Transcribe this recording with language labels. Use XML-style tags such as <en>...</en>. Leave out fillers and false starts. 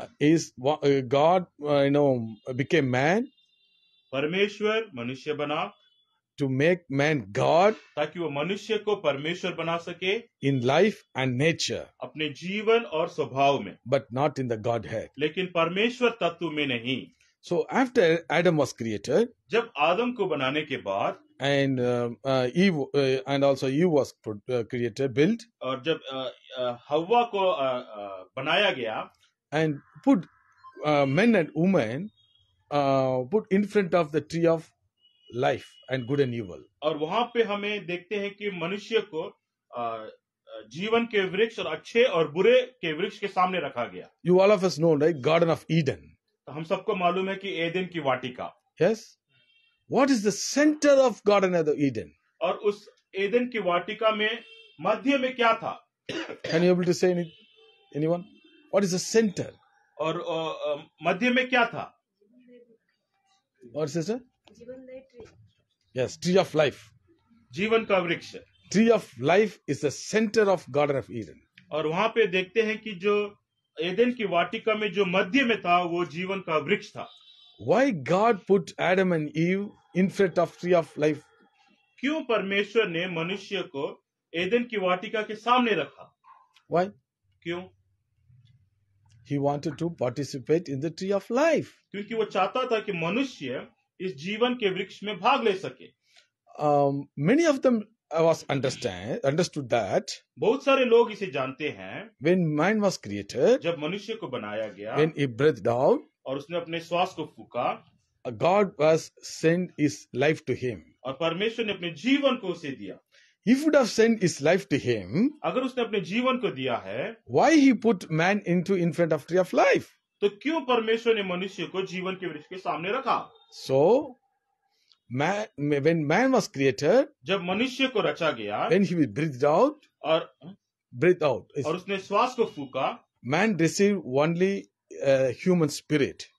<en>is God you know became man,</en> <hi>परमेश्वर मनुष्य बना.</hi> <en>To make man God,</en> <hi>ताकि वो मनुष्य को परमेश्वर बना सके.</hi> <en>In life and nature,</en> <hi>अपने जीवन और स्वभाव में.</hi> <en>But not in the Godhead,</en> <hi>लेकिन परमेश्वर तत्व में नहीं.</hi> <en>So after Adam was created,</en> <hi>जब आदम को बनाने के बाद.</hi> <en>And Eve and also Eve was created, built.</en> <hi>और जब हव्वा को बनाया गया.</hi> <en>And put men and women put in front of the tree of life and good and evil.</en> <hi>और वहाँ पे हमें देखते हैं कि मनुष्य को जीवन के वृक्ष और अच्छे और बुरे के वृक्ष के सामने रखा गया.</hi> <en>You all of us know, right? Garden of Eden.</en> <hi>हम सबको मालूम है कि एडेन की वाटिका.</hi> <en>Yes. What is the center of Garden of Eden?</en> <hi>और उस एडेन की वाटिका में मध्य में क्या था?</hi> <en>Can you able to say anyone? What is the center?</en> <hi>और मध्य में क्या था?</hi> <en>और sister? Yes, tree of life.</en> <hi>जीवन का वृक्ष.</hi> <en>Tree of life is the center of Garden of Eden.</en> <hi>और वहाँ पे देखते हैं कि जो एडेन की वाटिका में जो मध्य में था वो जीवन का वृक्ष था.</hi> <en>Why God put Adam and Eve in front of tree of life?</en> <hi>क्यों परमेश्वर ने मनुष्य को एडेन की वाटिका के सामने रखा?</hi> <en>Why?</en> <hi>क्यों?</hi> <en>He wanted to participate in the tree of life.</en> <hi>क्योंकि वो चाहता था कि मनुष्य इस जीवन के वृक्ष में भाग ले सके.</hi> <en>Many of them was understood that.</en> <hi>बहुत सारे लोग इसे जानते हैं.</hi> <en>When man was created,</en> <hi>जब मनुष्य को बनाया गया.</hi> <en>When he breathed out,</en> <hi>और उसने अपने श्वास को फूका.</hi> <en>God was sent his life to him,</en> <hi>और परमेश्वर ने अपने जीवन को उसे दिया.</hi> <en>He would have sent his life to him,</en> <hi>अगर उसने अपने जीवन को दिया है.</hi> <en>Why he put man into in front of tree of life?</en> <hi>तो क्यों परमेश्वर ने मनुष्य को जीवन के वृक्ष के सामने रखा?</hi> <en>So, man, when man was created,</en> <hi>जब मनुष्य को रचा गया.</hi> <en>When he was breathed out,</en> <hi>और</hi> <en>breathed out,</en> <hi>और उसने श्वास को फूका.</hi> <en>Man received only human spirit,</en>